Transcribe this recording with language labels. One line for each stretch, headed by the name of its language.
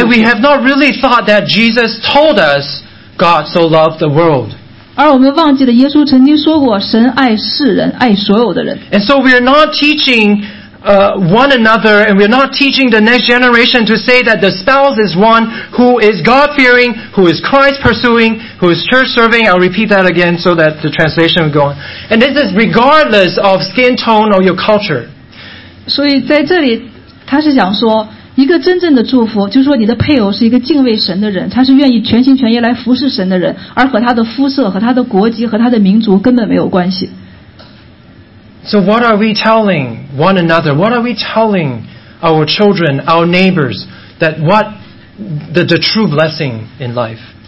English: And we have not really thought that Jesus told us God so loved the world.
Chinese: 而我们忘记了耶稣曾经说过,神爱世人,爱所有的人。
English: And so we are not teaching one another, and we're not teaching the next generation to say that the spouse is one who is God-fearing, who is Christ-pursuing, who is church-serving. I'll repeat that again so that the translation will go on. And this is regardless of skin tone or your culture.
Chinese: 所以在这里,他是想说, 一个真正的祝福,就是说你的配偶是一个敬畏神的人,他是愿意全心全意来服侍神的人, 而和他的肤色,和他的国籍,和他的民族根本没有关系。
English: So what are we telling one another? What are we telling our children, our neighbors, that what the true blessing in life?